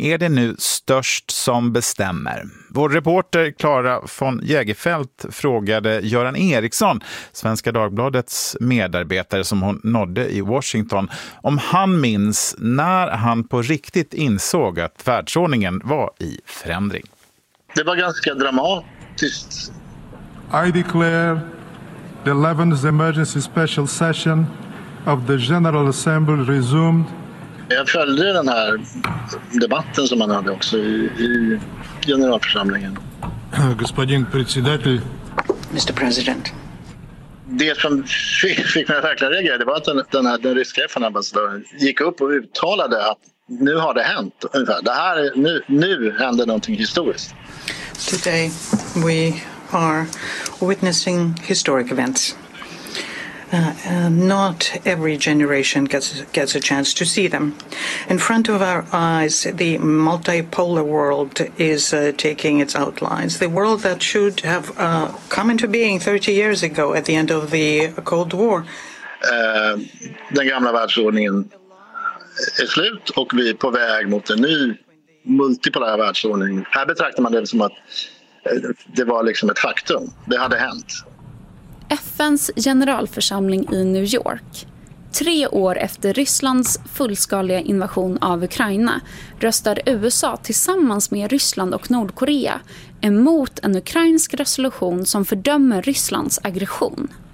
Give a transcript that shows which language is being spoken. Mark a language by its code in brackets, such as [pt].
[sv] Är det nu störst som bestämmer? Vår reporter Clara von Jägerfeldt frågade Göran Eriksson, Svenska Dagbladets medarbetare som hon nådde i Washington, om han minns när han på riktigt insåg att världsordningen var i förändring. Det var ganska dramatiskt. [en] I declare the 11th emergency special session of the General Assembly resumed. [sv] Jag följde den här debatten som man hade också i generalförsamlingen. [ru] Господин председатель. [en] Mr. President. [sv] Det som fick mig verkligen reagera, det var att den ryska FN-ambassadören gick upp och uttalade att nu har det hänt ungefär. Det här är nu händer någonting historiskt. [en] Today we are witnessing historic events. Not every generation gets a chance to see them. In front of our eyes, the multipolar world is taking its outlines. The world that should have come into being 30 years ago at the end of the Cold War. [sv] Den gamla världsordningen är slut och vi är på väg mot en ny multipolär världsordning. Här betraktar man det som att det var liksom ett faktum. Det hade hänt. FN:s generalförsamling i New York. Tre år efter Rysslands fullskaliga invasion av Ukraina röstar USA tillsammans med Ryssland och Nordkorea emot en ukrainsk resolution som fördömer Rysslands aggression.